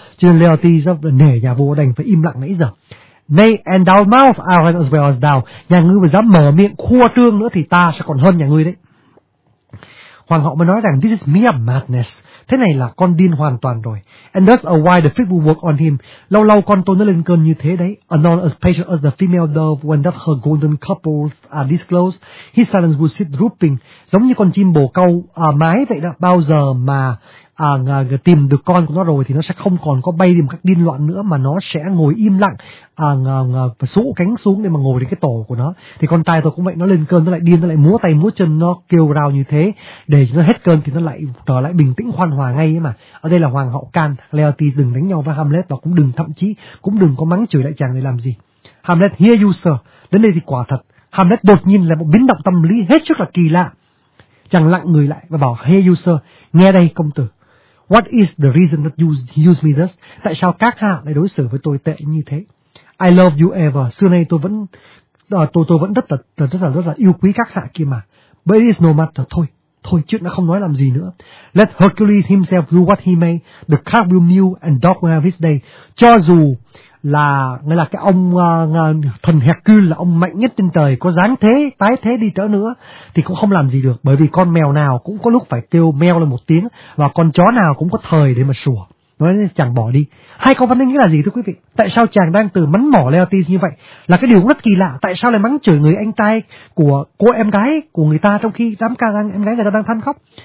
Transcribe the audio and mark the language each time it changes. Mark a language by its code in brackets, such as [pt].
[vi] Cho nên Laertes nể nhà vua đành phải im lặng nãy giờ. [en] Nay and thou mouth out as well as thou, [vi] nhà ngươi mà dám mở miệng khua trương nữa thì ta sẽ còn hơn nhà ngươi đấy. Hoàng hậu mới nói rằng [en] this is mere madness, [vi] thế này là con điên hoàn toàn rồi. [en] And thus a while the fit will work on him, [vi] lâu lâu con tôi nó lên cơn như thế đấy. [en] Anon as patient as the female dove when that her golden couples are disclosed, his silence will sit drooping, [vi] giống như con chim bồ câu mái vậy đó. Bao giờ mà tìm được con của nó rồi thì nó sẽ không còn có bay đi một cách điên loạn nữa, mà nó sẽ ngồi im lặng, sụ cánh xuống để mà ngồi đến cái tổ của nó. Thì con trai tôi cũng vậy, nó lên cơn nó lại điên, nó lại múa tay múa chân, nó kêu rao như thế, để nó hết cơn thì nó lại trở lại bình tĩnh hoan hòa ngay ấy mà. Ở đây là hoàng hậu can Laertes đừng đánh nhau với Hamlet, và cũng đừng thậm chí cũng đừng có mắng chửi đại chàng để làm gì. [en] Hamlet hear you sir, [vi] đến đây thì quả thật Hamlet đột nhiên là một biến động tâm lý hết sức là kỳ lạ. Chàng lặng người lại và bảo [en] hear you sir, [vi] nghe đây công tử. [en] What is the reason that you use me thus? [vi] Tại sao các hạ lại đối xử với tôi tệ như thế? [en] I love you ever. [vi] Xưa nay tôi vẫn rất là yêu quý các hạ kia mà. [en] But it is no matter. [vi] Thôi, chuyện đã không nói làm gì nữa. [en] Let Hercules himself do what he may. The cat will mew and dog will have his day. [vi] Cho dù là nghĩa là cái ông thần Hercules là ông mạnh nhất trên trời, có giáng thế tái thế đi trở nữa thì cũng không làm gì được, bởi vì con mèo nào cũng có lúc phải kêu meo lên một tiếng, và con chó nào cũng có thời để mà sủa. Nói nên chàng bỏ đi. Hai câu văn nghĩa là gì thưa quý vị? Tại sao chàng đang từ mắng mỏ Laertes như vậy là cái điều rất kỳ lạ, tại sao lại mắng chửi người anh trai của cô em gái của người ta trong khi đám ca đang em gái người ta đang than khóc?